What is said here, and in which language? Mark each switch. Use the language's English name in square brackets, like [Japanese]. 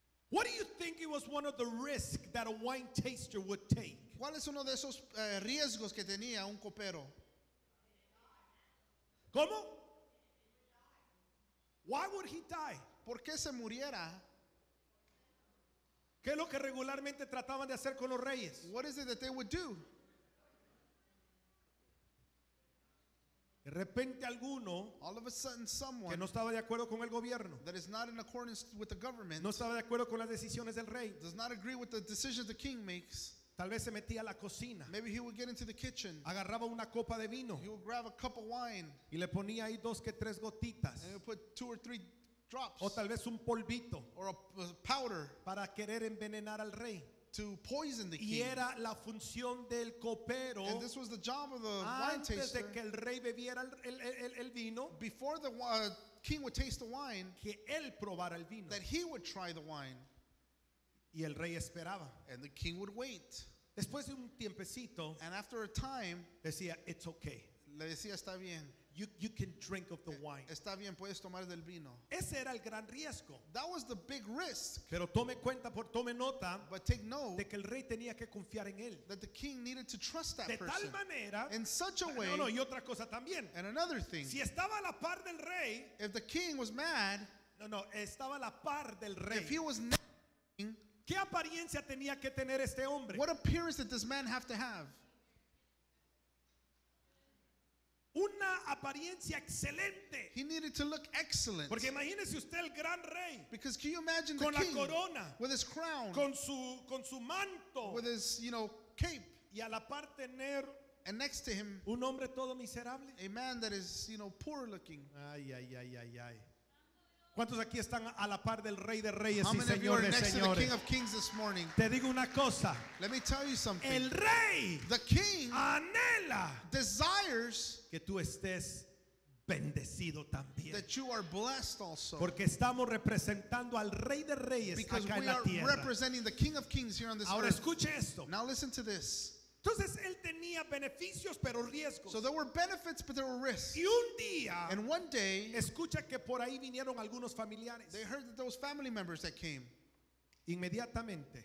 [English] What do you think it was one of the risks that a wine taster would take? [Spanish] ¿Cuál es uno de esos riesgos que tenía un copero? ¿Cómo? [English] Why would he die? [Spanish] ¿Por qué se muriera? ¿Qué es lo que regularmente trataban de hacer con los reyes? [English] What is it that they would do? [Spanish] De repente alguno, [English] all of a sudden someone, [Spanish] que no estaba de acuerdo con el gobierno, [English] that is not in accordance with the government, [Spanish] no estaba de acuerdo con las decisiones del rey, [English] does not agree with the decisions the king makes, [Spanish] tal vez se metía a la cocina, [English] maybe he would get into the kitchen, [Spanish] agarraba una copa de vino, [English] he would grab a cup of wine, [Spanish] y le ponía ahí dos que tres gotitas, [English] and he would put two or three drops, [Spanish] o tal vez un polvito, [English] or a powder, [Spanish] para querer envenenar al rey, [English] to poison the king. [Spanish] Y era la función del copero, [English] and this was the job of the wine taster, [Spanish] antes de que el rey bebiera el vino, [English] before the king would taste the wine, [Spanish] que él probara el vino, [English] that he would try the wine, [Spanish] y el rey esperaba, [English] and the king would wait. [Spanish] Después de un tiempecito, [English] and after a time, [Spanish] decía, [English] it's okay. [Spanish] Le decía, está bien. [English] You can drink of the wine. [Spanish] Está bien, puedes tomar del vino. Ese era el gran riesgo. [English] That was the big risk. [Spanish] Pero tome cuenta, por tome nota, [English] but take note [Spanish] de que el rey tenía que confiar en él. [English] That the king needed to trust that [Spanish] de [English] person. [Spanish] De tal manera, [English] in such a way. [Spanish] No, no, y otra cosa también. [English] And another thing. [Spanish] Si estaba a la par del rey, [English] if the king was mad, [Spanish] no, no, estaba a la par del rey. [English] If he was [Spanish] ¿qué apariencia tenía que tener este hombre? [English] What appearance did this man have to have? [Spanish] una apariencia excelente. [English] He needed to look excellent. [Spanish] Porque imagínese usted el gran rey. [English] Because can you imagine [Spanish] con [English] the king [Spanish] la corona, [English] with his crown, [Spanish] con su manto, [English] with his, you know, cape, [Spanish] y a la par tener, [English] and next to him, [Spanish] un hombre todo miserable, [English] a man that is, you know, poor looking. Ay, ay, ay, ay, ay. [Spanish] ¿Cuántos aquí están a la par del Rey de Reyes y Señor de Señores? [English] How many of you are next to the King of Kings this morning? [Spanish] Te digo una cosa. [English] Let me tell you something. [Spanish] El Rey, [English] the King, [Spanish] anhela, [English] desires [Spanish] que tú estés bendecido también. [English] That you are blessed also. [Spanish] Porque estamos representando al Rey de Reyes acá en la tierra. [English] Because we are representing the King of Kings here on this [Spanish] ahora [English] earth. [Spanish] Escuche esto. [English] Now listen to this. [Spanish] Entonces él tenía beneficios pero riesgos. [English] So there were benefits but there were risks. [Spanish] Y un día, [English] and one day, [Spanish] escucha que por ahí vinieron algunos familiares. [English] They heard that there was family members that came. [Spanish] Inmediatamente.